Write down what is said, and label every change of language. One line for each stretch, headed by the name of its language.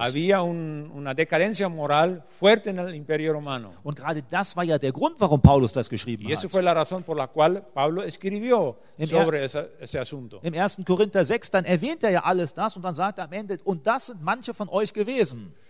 Spanish: Había una decadencia moral fuerte en el Imperio Romano.
German: Und gerade das war ja der Grund, warum Paulus das geschrieben hat.
Spanish: Y eso fue la razón por la cual Pablo escribió sobre ese asunto.
German: Im 1. Korinther 6, dann erwähnt ja alles das und dann sagt am Ende, und das sind manche von euch gewesen.